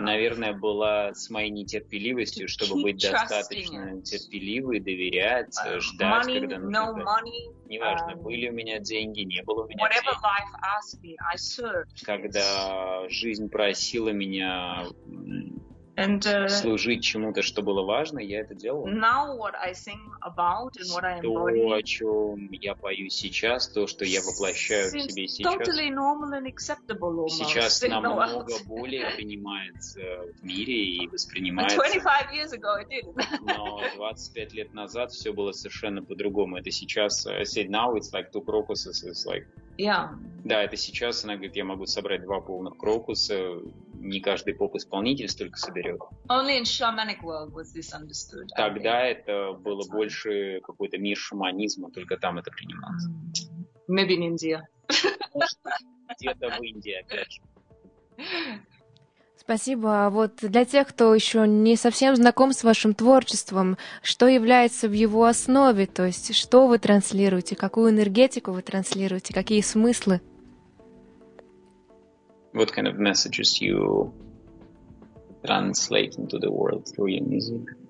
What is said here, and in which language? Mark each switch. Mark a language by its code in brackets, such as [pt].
[ru] наверное, была с моей нетерпеливостью, чтобы быть достаточно терпеливой, доверять, ждать, [en] money, [ru] когда нужно. [en] No money, [ru] неважно, были у меня деньги, не было у меня [en] whatever [ru] денег. [en] Life asked me, I served. [ru] Когда жизнь просила меня [en] and, [ru] служить чему-то, что было важно, я это делал. [en] Now what I sing about and what I embody, [ru] то, о чем я пою сейчас, то, что я воплощаю в себе сейчас, [en] totally normal and acceptable almost, [ru] сейчас намного более принимается в мире и воспринимается. [en] 25 years ago it didn't. [ru] Но 25 лет назад все было совершенно по-другому. Это сейчас, [en] I say now it's like two crocuses, it's like yeah. [ru] Да, это сейчас, она говорит, я могу собрать два полных крокуса, не каждый поп-исполнитель столько соберет. [en] Only in shamanic world was this understood. [ru] Тогда это было больше какой-то мир шаманизма, только там это принималось. Mm-hmm. [en] Maybe in India. [ru] Может, где-то в Индии, опять же. Спасибо. А вот для тех, кто еще не совсем знаком с вашим творчеством, что является в его основе, то есть что вы транслируете, какую энергетику вы транслируете, какие смыслы? [en] What kind of messages you translate into the world through your music?